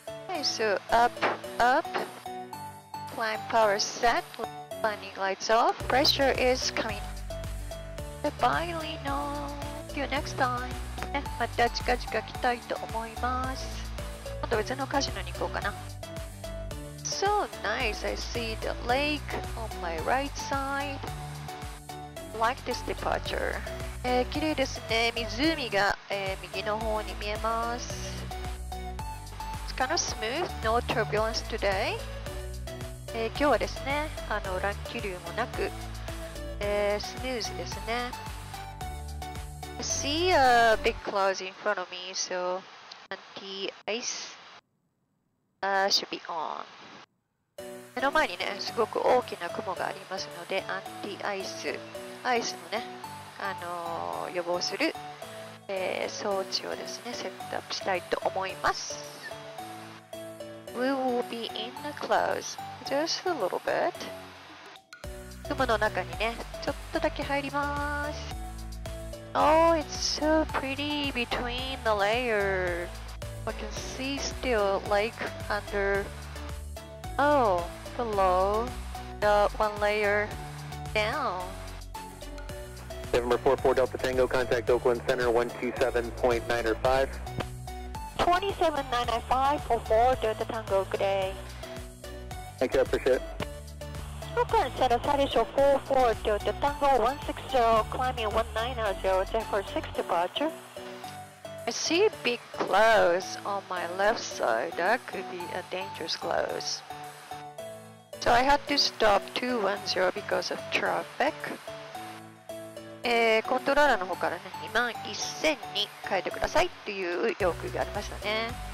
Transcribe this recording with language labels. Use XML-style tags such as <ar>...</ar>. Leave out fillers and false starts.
<en>Okay, so up, up. Climb power set, landing lights off. Pressure is coming. Goodbye, Lino. See you next time.</en> <ja>また近々来たいと思います。また別のカジノに行こうかな。</ja> <en>So nice, I see the lake on my right side. Like this departure.</en> <ja>きれいですね。湖が、右の方に見えます。</ja> <en>It's kind of smooth, no turbulence today.</en> <ja>今日はですね、乱気流もなく、スムーズですね。</ja> <en>I see a big clouds in front of me, so anti-ice, should be on.</en> <ja>目の前にね、すごく大きな雲がありますので、アンティアイス、アイスのね、予防する、装置をですね、セットアップしたいと思います。</ja> <en>We will be in the clouds, just a little bit.</en> <ja>雲の中にね、ちょっとだけ入ります。</ja> <en>Oh, it's so pretty between the layers. I can see still lake under... Oh, below the one layer down. 744 Delta Tango, contact Oakland Center 27.95. 27.95, 44 Delta Tango, good day. Thank you, I appreciate it. Oakland Center, Sadio 44 Delta Tango 160, climbing 1900, Zephyr 6 departure. I see big clouds on my left side. That could be a dangerous cloud. So I had to stop 210 because of traffic.</en> <ja>コントローラーの方からね、21,000に変えてくださいっていう要求がありましたね。</ja>